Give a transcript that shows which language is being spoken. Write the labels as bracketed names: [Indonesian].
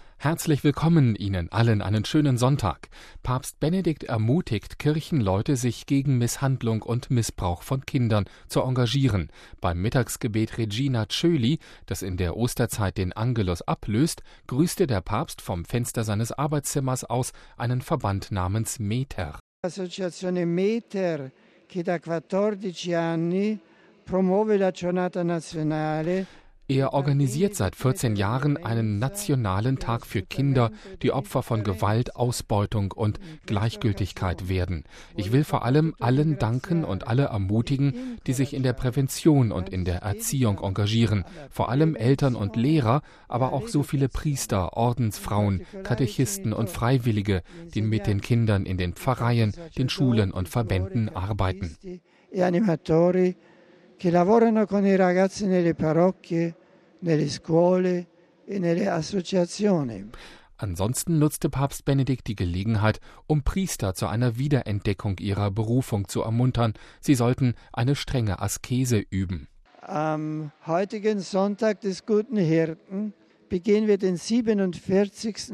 [German] Herzlich willkommen Ihnen allen einen schönen Sonntag. Papst Benedikt ermutigt Kirchenleute, sich gegen Misshandlung und Missbrauch von Kindern zu engagieren. Beim Mittagsgebet Regina Coeli, das in der Osterzeit den Angelus ablöst, grüßte der Papst vom Fenster seines Arbeitszimmers aus einen Verband namens Meter. [Italian] Associazione Meter, che da 14 anni promuove la giornata nazionale. [German] Er organisiert seit 14 Jahren einen nationalen Tag für Kinder, die Opfer von Gewalt, Ausbeutung und Gleichgültigkeit werden. Ich will vor allem allen danken und alle ermutigen, die sich in der Prävention und in der Erziehung engagieren. Vor allem Eltern und Lehrer, aber auch so viele Priester, Ordensfrauen, Katechisten und Freiwillige, die mit den Kindern in den Pfarreien, den Schulen und Verbänden arbeiten. [Italian] Che lavorano con i ragazzi nelle parrocchie, nelle scuole e nelle associazioni. [German] Ansonsten nutzte Papst Benedikt die Gelegenheit, um Priester zu einer Wiederentdeckung ihrer Berufung zu ermuntern. Sie sollten eine strenge Askese üben. Am heutigen Sonntag des Guten Hirten begehen wir den 47.